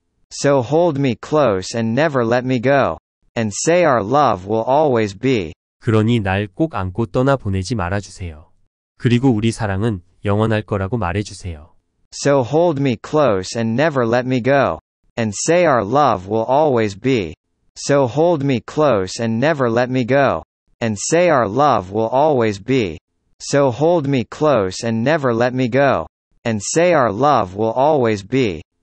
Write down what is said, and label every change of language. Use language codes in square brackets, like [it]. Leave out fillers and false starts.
[en] So hold me close and never let me go, and say our love will always be. [ko] 그러니 날 꼭 안고 떠나 보내지 말아주세요. 그리고 우리 사랑은 영원할 거라고 말해주세요. [en] So hold me close and never let me go, and say our love will always be. So hold me close and never let me go, and say our love will always be. So hold me close and never let me go. And say our love will always be.